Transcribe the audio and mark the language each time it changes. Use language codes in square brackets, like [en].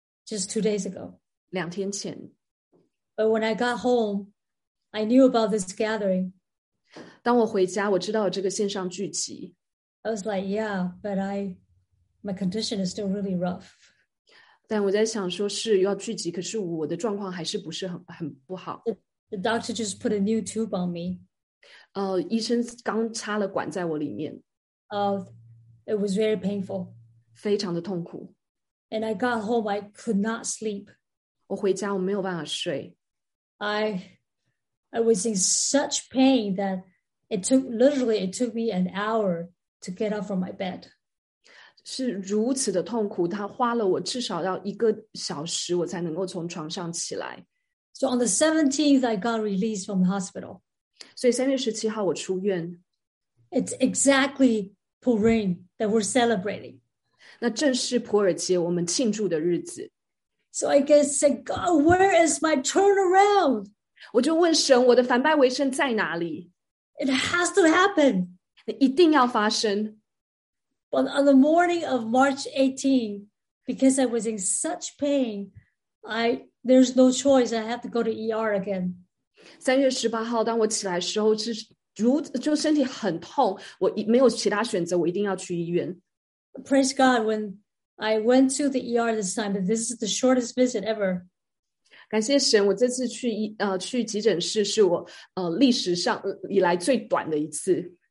[en] Just 2 days ago. [zh] 两天前。 [en] But when I got home, I knew about this gathering. [zh] 当我回家，我知道这个线上聚集。 [en] I was like, yeah, but my condition is still really rough. [zh] 但我在想说是要聚集，可是我的状况还是不是很不好。 [en] The doctor just put a new tube on me. [zh] 医生刚插了管在我里面。 [en] It was very painful. [zh] 非常的痛苦。 [en] And I got home, I could not sleep. [zh] 我回家，我没有办法睡。 [en] I was in such pain that it took me an hour to get up from my bed. [zh] 是如此的痛苦，它花了我至少要一个小时，我才能够从床上起来。 [en] So on the 17th, I got released from the hospital. [zh] 所以三月十七号我出院。 [en] It's exactly Purim that we're celebrating. [zh] 那正是普尔节，我们庆祝的日子。 [en] So I can say, God, where is my turnaround? [zh] 我就问神，我的反败为胜在哪里？ [en] It has to happen. [zh] 一定要发生。 [en] But on the morning of March 18, because I was in such pain, there's no choice. I have to go to ER again. [zh] 三月十八号，当我起来的时候，就身体很痛，我没有其他选择，我一定要去医院。 [en] Praise God, when I went to the ER this time, but this is the shortest visit ever. [zh] 感谢神，我这次去急诊室是我历史上以来最短的一次。